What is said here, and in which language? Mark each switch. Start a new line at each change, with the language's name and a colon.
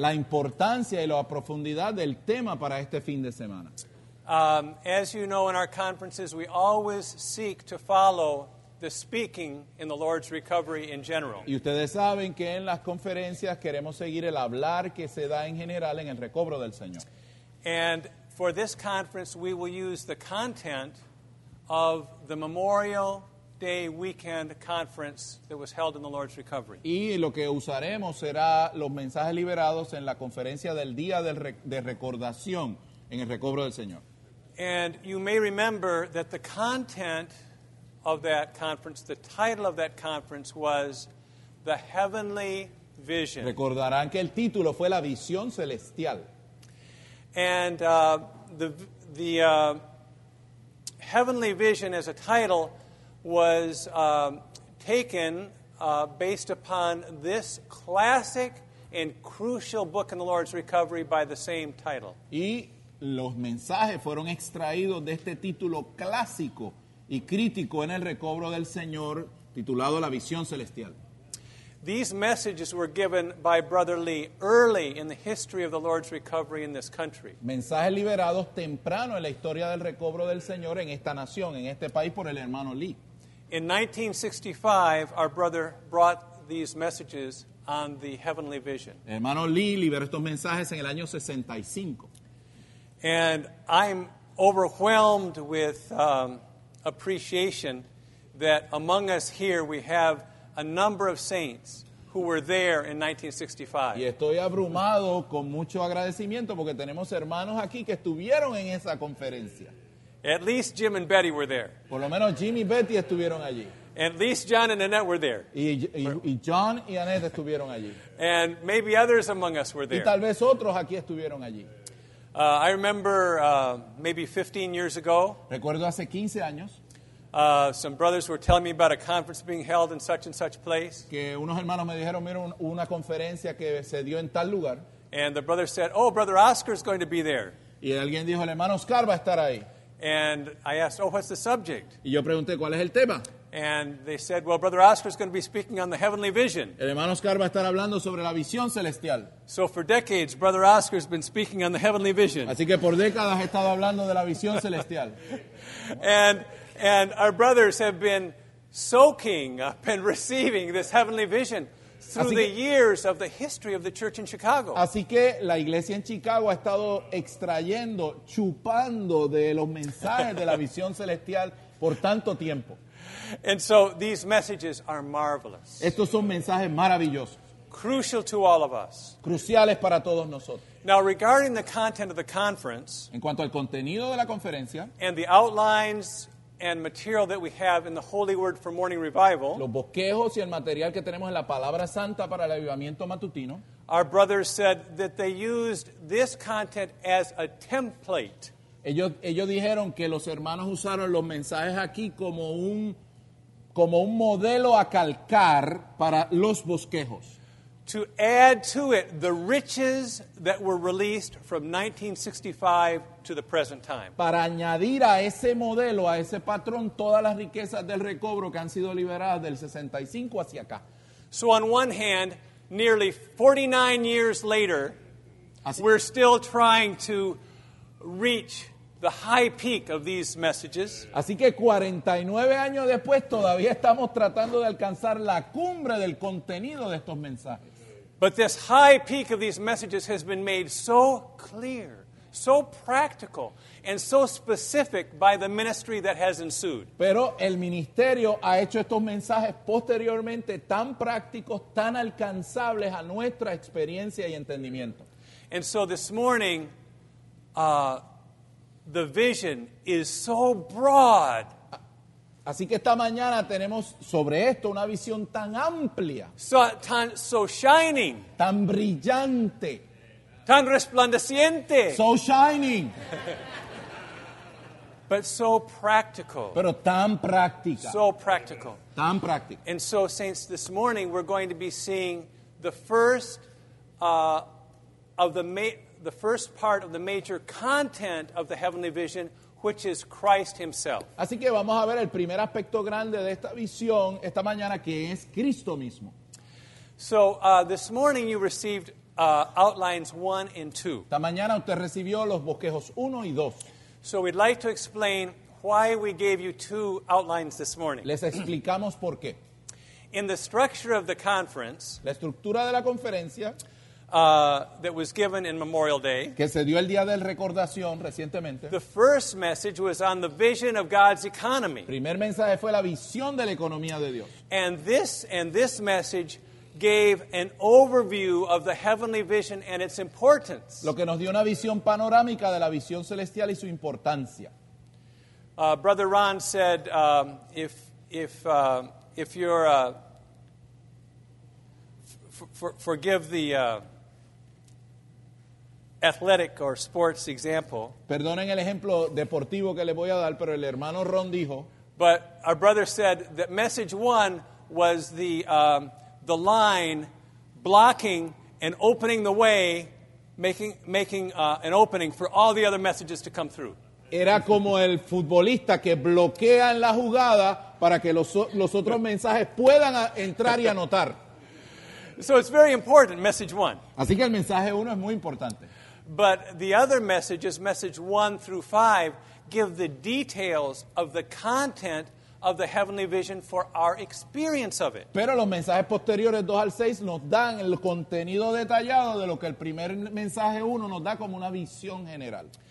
Spanish: La importancia y la profundidad del tema para este fin de semana.
English: As you know, in our conferences, we always seek to follow the speaking in the Lord's recovery in general.
Spanish: Y ustedes saben que en las conferencias queremos seguir el hablar que se da en general en el recobro del Señor.
English: And for this conference, we will use the content of the Memorial Day weekend conference that was held in the Lord's recovery.
Spanish: Y lo que usaremos será los mensajes liberados en la conferencia del día de recordación en el recobro del Señor.
English: And you may remember that the content of that conference, the title of that conference was The Heavenly Vision.
Spanish: Recordarán que el título fue La Visión Celestial.
English: And the Heavenly Vision as a title was taken based upon this classic and crucial book in the Lord's recovery by the same title.
Spanish: Y los mensajes fueron extraídos de este título clásico y crítico en el recobro del Señor, titulado La Visión Celestial.
English: These messages were given by Brother Lee early in the history of the Lord's recovery in this country.
Spanish: Mensajes liberados temprano en la historia del recobro del Señor en esta nación, en este país, por el hermano Lee.
English: In 1965, our brother brought these messages on the heavenly vision.
Spanish: Hermano Lee liberó estos mensajes en el año 65.
English: And I'm overwhelmed with appreciation that among us here we have a number of saints who were there in 1965.
Spanish: Y estoy abrumado con mucho agradecimiento porque tenemos hermanos aquí que estuvieron en esa conferencia.
English: At least Jim and Betty were there.
Spanish: Por lo menos Jim y Betty estuvieron allí.
English: At least John and Annette were there.
Spanish: Y John y Annette estuvieron allí.
English: And maybe others among us were there.
Spanish: Y tal vez otros aquí estuvieron allí.
English: I remember maybe 15 years ago.
Spanish: Recuerdo hace 15 años.
English: Some brothers were telling me about a conference being held in such and such place.
Spanish: Que unos hermanos me dijeron, mira, una conferencia que se dio en tal lugar.
English: And the brother said, oh, Brother Oscar is going to be there.
Spanish: Y alguien dijo, el hermano Oscar va a estar ahí.
English: And I asked, oh, what's the subject?
Spanish: Y yo pregunté, ¿cuál es el tema?
English: And they said, well, Brother Oscar is going to be speaking on the heavenly vision.
Spanish: El hermano Oscar va a estar hablando sobre la visión celestial.
English: So for decades, Brother Oscar has been speaking on the heavenly vision.
Spanish: Así que por décadas he estado hablando de la visión celestial.
English: And our brothers have been soaking up and receiving this heavenly vision through the years of the history of the church in Chicago.
Spanish: Así que la iglesia en Chicago ha estado extrayendo, chupando de los mensajes de la visión celestial por tanto tiempo.
English: And so these messages are marvelous.
Spanish: Estos son mensajes maravillosos.
English: Crucial to all of us.
Spanish: Cruciales para todos nosotros.
English: Now, regarding the content of the conference,
Spanish: en cuanto al contenido de la conferencia,
English: and the outlines and material that we have in the Holy Word for Morning Revival,
Spanish: los bosquejos y el material que tenemos en la Palabra Santa para el avivamiento matutino,
English: our brothers said that they used this content as a template.
Spanish: Ellos dijeron que los hermanos usaron los mensajes aquí como un modelo a calcar para los bosquejos.
English: to add to it the riches that were released from 1965 to the present time.
Spanish: Para añadir a ese modelo, a ese patrón, todas las riquezas del recobro que han sido liberadas del 65 hacia acá.
English: So on one hand, nearly 49 years later, así, we're still trying to reach the high peak of these messages.
Spanish: Así que 49 años después todavía estamos tratando de alcanzar la cumbre del contenido de estos mensajes.
English: But this high peak of these messages has been made so clear, so practical, and so specific by the ministry that has ensued.
Spanish: Pero el ministerio ha hecho estos mensajes posteriormente tan prácticos, tan alcanzables a nuestra experiencia y entendimiento.
English: And so this morning, the vision is so broad.
Spanish: Así que esta mañana tenemos sobre esto una visión tan amplia.
English: So shining.
Spanish: Tan brillante. Tan resplandeciente.
English: So shining. But so practical.
Spanish: Pero tan práctica.
English: So practical.
Spanish: Tan práctica.
English: And so, saints, this morning we're going to be seeing the first of the the first part of the major content of the heavenly vision, which is Christ himself.
Spanish: Así que vamos a ver el primer aspecto grande de esta visión esta mañana, que es Cristo mismo.
English: So this morning you received outlines 1 and 2.
Spanish: Esta mañana usted recibió los bosquejos 1 y 2.
English: So we'd like to explain why we gave you 2 outlines this morning.
Spanish: Les explicamos por qué.
English: In the structure of the conference,
Spanish: la estructura de la conferencia,
English: That was given in Memorial Day,
Spanish: que se dio el día del recordación recientemente,
English: the first message was on the vision of God's economy.
Spanish: Primer mensaje fue la visión de la economía de Dios.
English: And this message gave an overview of the heavenly vision and its importance.
Spanish: Lo que nos dio una visión panorámica de la visión celestial y su importancia.
English: Brother Ron said, if you're a forgive the athletic or sports example.
Spanish: Perdonen el ejemplo deportivo que le voy a dar, pero el hermano Ron dijo.
English: But our brother said that message one was the line blocking and opening the way, making an opening for all the other messages to come through.
Spanish: Era como el futbolista que bloquea en la jugada para que los otros mensajes puedan entrar y anotar.
English: So it's very important, message one.
Spanish: Así que el mensaje uno es muy importante.
English: But the other messages, message 1 through 5, give the details of the content of the heavenly vision for our experience of it.
Spanish: Pero los mensajes posteriores 2 al 6 nos dan el contenido detallado de lo que el primer mensaje uno nos da como una visión general.